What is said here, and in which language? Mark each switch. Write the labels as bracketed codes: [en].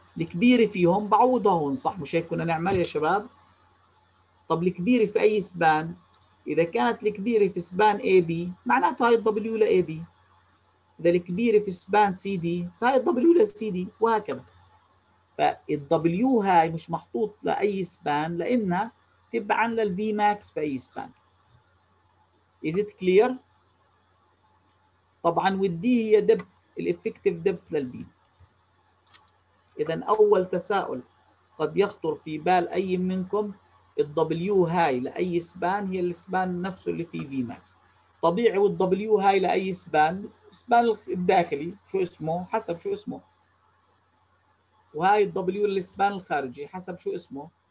[ar] الكبيرة فيهم بعوضها هون، صح مش هيك كنا نعمل يا شباب؟ طب الكبيرة في أي سبان؟ إذا كانت الكبيرة في سبان AB معناته هاي الـ W لAB، إذا الكبيرة في سبان CD فهي W لCD، وهكذا. فالW هاي مش محطوط لأي سبان لأنها تبعا للV max في أي سبان. [en] Is it clear؟ [ar] طبعا والD هي depth، الإفكتيف depth للB. إذا أول تساؤل قد يخطر في بال أي منكم، الW هاي لأي سبان هي السبان نفسه اللي فيه V max. طبيعي والW هاي لأي سبان، سبان الداخلي شو اسمه حسب شو اسمه، وهاي الW للسبان الخارجي حسب شو اسمه.